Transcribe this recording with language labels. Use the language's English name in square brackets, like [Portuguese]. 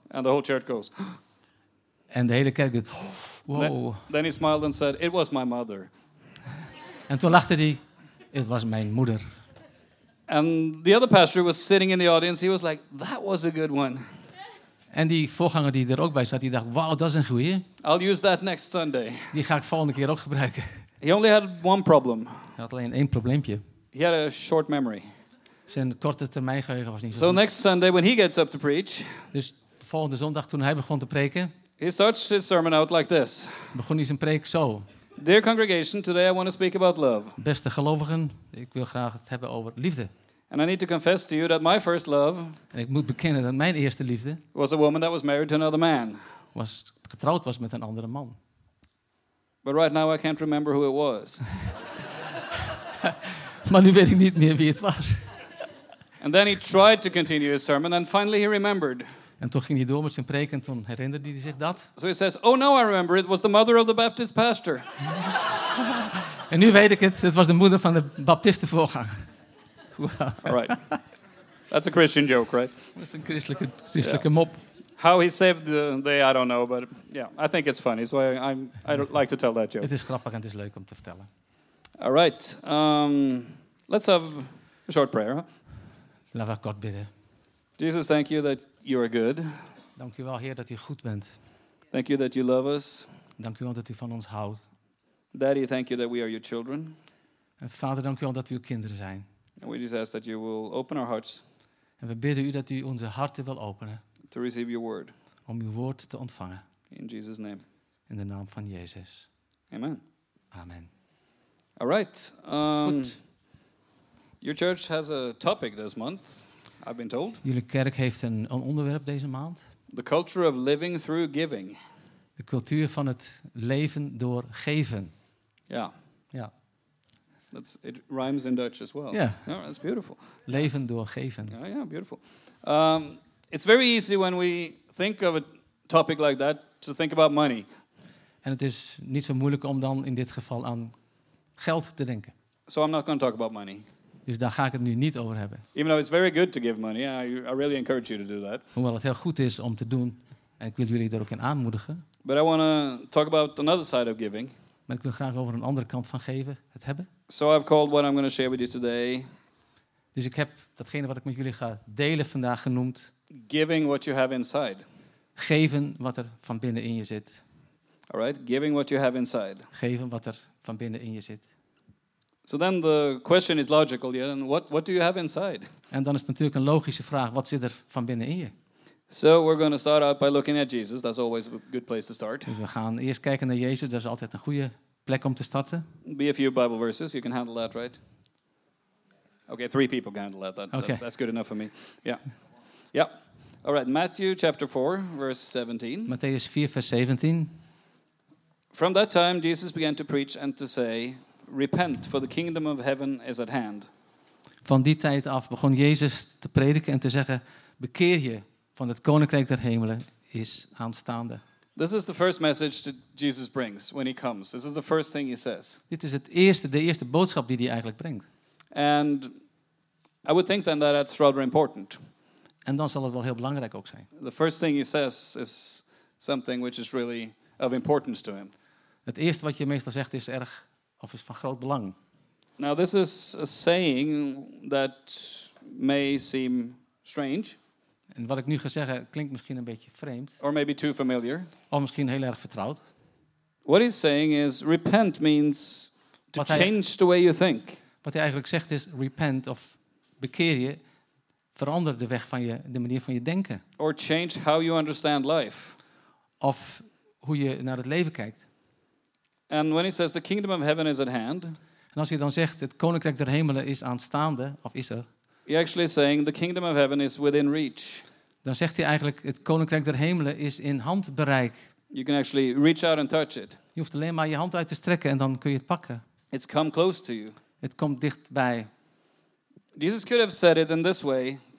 [English] And the whole church goes. [Dutch] En de hele kerk goes, wow. [English] Then he smiled and said, it was my mother. [Dutch] En toen lachte hij, het was mijn moeder. [English] And the other pastor was sitting in the audience, he was like, that was a good one. [Dutch] En die voorganger die er ook bij zat, die dacht, wow, dat is een goeie. [English] I'll use that next Sunday. [Dutch] Die ga ik volgende keer ook gebruiken. [English] He only had one problem. [Dutch] Hij had alleen één probleempje. [English] He had a short memory. [Dutch] Zijn korte termijn geheugen was niet zo [English] goed. So next Sunday when he gets up to preach. [Dutch] Dus de volgende zondag toen hij begon te preken. [English] He starts his sermon out like this. [Dutch] Begon hij zijn preek zo. [English] Dear congregation, today I want to speak about love. [Dutch] Beste gelovigen, ik wil graag het hebben over liefde. [English] And I need to confess to you that my first love. [Dutch] En ik moet bekennen dat mijn eerste liefde. [English] Was a woman that was married to another man. [Dutch] Was getrouwd was met een andere man. [English] But right now I can't remember who it was. [Dutch] Maar nu weet ik niet meer wie het was. [English] And then he tried to continue his sermon and finally he remembered. [Dutch] En toen ging hij door met zijn preek en toen herinnerde hij zich dat. [English] So he says, oh now I remember, it was the mother of the Baptist pastor. [Dutch] En nu weet ik het, het was de moeder van de baptistenvoorganger. [English] All right. That's a Christian joke, right? [Dutch] Dat is een christelijke yeah. mop. [English] How he saved the day, I don't know, but yeah, I think it's funny, so I don't like to tell that joke. [Dutch] Het is grappig en het is leuk om te vertellen. [English] All right, let's have a short prayer. [Dutch] Laten we kort bidden. [English] Jesus, thank you that you are good. [Dutch] Dank u wel, Heer, dat u goed bent. [English] Thank you that you love us. [Dutch] Dank u wel dat u van ons houdt. [English] Daddy, thank you that we are your children. [Dutch] En Vader, dank u wel dat we uw kinderen zijn. [English] And we just ask that you will open our hearts. [Dutch] En we bidden u dat u onze harten wil openen. [English] To receive your word. [Dutch] Om uw woord te ontvangen. [English] In Jesus' name. [Dutch] In de naam van Jezus. [English] Amen. Amen. All right. Your church has a topic this month, I've been told. [Dutch] Jullie kerk heeft een onderwerp deze maand. [English] The culture of living through giving. [Dutch] De cultuur van het leven door geven. [English] Yeah. Yeah. That's it rhymes in Dutch as well. Yeah. Oh, that's beautiful. [Dutch] Leven door geven. [English] Yeah, beautiful. It's very easy when we think of a topic like that to think about money. [Dutch] En het is niet zo moeilijk om dan in dit geval aan geld te denken. [English] So I'm not going to talk about money. [Dutch] Dus daar ga ik het nu niet over hebben. [English] Even though it's very good to give money, I really encourage you to do that. [Dutch] Hoewel het heel goed is om te doen, en ik wil jullie daar ook in aanmoedigen. [English] But I want to talk about another side of giving. [Dutch] Maar ik wil graag over een andere kant van geven, het hebben. [English] So I've called what I'm going to share with you today. [Dutch] Dus ik heb datgene wat ik met jullie ga delen vandaag genoemd. [English] Giving what you have inside. [Dutch] Geven wat er van binnen in je zit. [English] All right, giving what you have inside. [Dutch] Geven wat er van binnen in je zit. [English] So then the question is logical, yeah? And what do you have inside? [Dutch] En dan is het natuurlijk een logische vraag, wat zit er van binnen in je? [English] So we're going to start out by looking at Jesus. That's always a good place to start. [Dutch] Dus we gaan eerst kijken naar Jezus. Dat is altijd een goede plek om te starten. [English] Be a few Bible verses. You can handle that, right? Okay, 3 people can handle that. Okay. That's good enough for me. Yeah. Yeah. All right, Matthew chapter 4, verse 17. [Dutch] Matthäus 4, vers 17. [English] From that time Jesus began to preach and to say, repent, for the kingdom of heaven is at hand. [Dutch] Van die tijd af begon Jezus te prediken en te zeggen, bekeer je, want het koninkrijk der hemelen is aanstaande. [English] This is the first message that Jesus brings when he comes. This is the first thing he says. [Dutch] Dit is de eerste boodschap die hij eigenlijk brengt. [English] And I would think then that that's rather important. [Dutch] En dan zal het wel heel belangrijk ook zijn. [English] The first thing he says is something which is really of importance to him. [Dutch] Het eerste wat je meestal zegt is erg of is van groot belang. [English] Now this is a saying that may seem strange. [Dutch] En wat ik nu ga zeggen klinkt misschien een beetje vreemd. [English] Or maybe too familiar. [Dutch] Of misschien heel erg vertrouwd. [English] What he's saying is repent means to change the way you think. [Dutch] Wat hij eigenlijk zegt is repent of bekeer je, verander de weg van je, de manier van je denken. [English] Or change how you understand life. [Dutch] Of hoe je naar het leven kijkt. [English] And when he says the kingdom of heaven is at hand. [Dutch] En als hij dan zegt het koninkrijk der hemelen is aanstaande, of is er. [English] He actually is saying the kingdom of heaven is within reach. [Dutch] Dan zegt hij eigenlijk het koninkrijk der hemelen is in handbereik. [English] You can actually reach out and touch it. [Dutch] Je hoeft alleen maar je hand uit te strekken en dan kun je het pakken. [English] It's come close to you. [Dutch] Het komt dichtbij. [English] Jesus could have said it in this way.